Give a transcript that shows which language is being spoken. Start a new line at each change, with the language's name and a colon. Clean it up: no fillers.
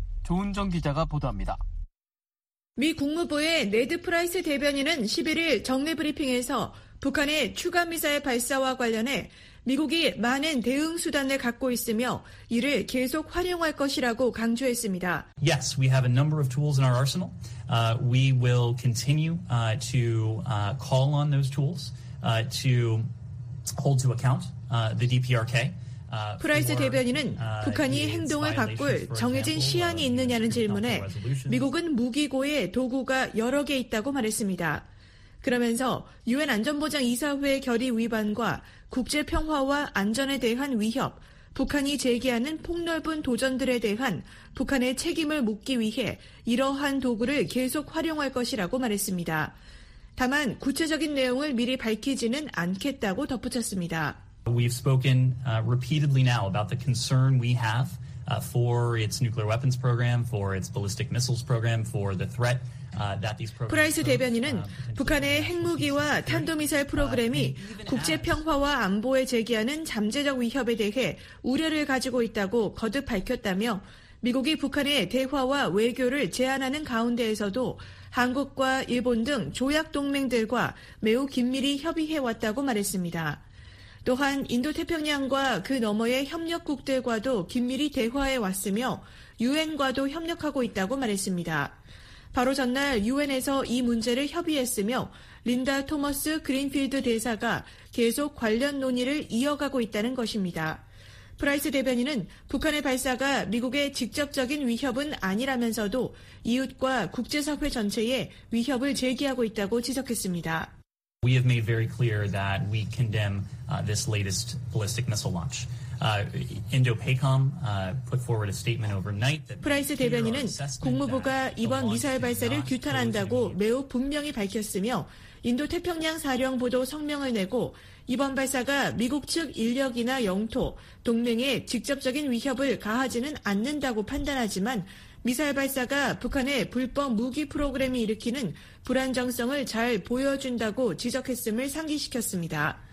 Korean: 조은정 기자가 보도합니다. 미 국무부의 네드 프라이스 대변인은 11일 정례 브리핑에서 북한의 추가 미사일 발사와 관련해 미국이 많은 대응 수단을 갖고 있으며 이를 계속 활용할 것이라고 강조했습니다.
English: Yes, we have a number of tools in our arsenal. We will continue to call on those tools to hold to account the DPRK.
Korean: 프라이스 대변인은 북한이 행동을 바꿀 정해진 시한이 있느냐는 질문에 미국은 무기고의 도구가 여러 개 있다고 말했습니다. 그러면서 유엔 안전보장 이사회 결의 위반과 국제 평화와 안전에 대한 위협, 북한이 제기하는 폭넓은 도전들에 대한 북한의 책임을 묻기 위해 이러한 도구를 계속 활용할 것이라고 말했습니다. 다만 구체적인 내용을 미리 밝히지는 않겠다고 덧붙였습니다.
English: We've spoken repeatedly now about the concern we have for its nuclear weapons program, for its ballistic missiles program, for the threat that these programs.
Korean: 프라이스 대변인은 북한의 핵무기와 탄도미사일 프로그램이 국제 평화와 안보에 제기하는 잠재적 위협에 대해 우려를 가지고 있다고 거듭 밝혔다며 미국이 북한의 대화와 외교를 제한하는 가운데에서도 한국과 일본 등 조약 동맹들과 매우 긴밀히 협의해 왔다고 말했습니다. 또한 인도태평양과 그 너머의 협력국들과도 긴밀히 대화해 왔으며 유엔과도 협력하고 있다고 말했습니다. 바로 전날 유엔에서 이 문제를 협의했으며 린다 토머스 그린필드 대사가 계속 관련 논의를 이어가고 있다는 것입니다. 프라이스 대변인은 북한의 발사가 미국의 직접적인 위협은 아니라면서도 이웃과 국제사회 전체에 위협을 제기하고 있다고 지적했습니다.
English: We have made very clear that we condemn this latest ballistic missile launch. Indo-PACOM put forward a statement overnight that
Korean: 프라이스 대변인은 국무부가 이번 미사일 발사를 규탄한다고 매우 분명히 밝혔으며 인도태평양 사령부도 성명을 내고 이번 발사가 미국 측 인력이나 영토, 동맹에 직접적인 위협을 가하지는 않는다고 판단하지만 미사일 발사가 북한의 불법 무기 프로그램이 일으키는 불안정성을 잘 보여준다고 지적했음을 상기시켰습니다.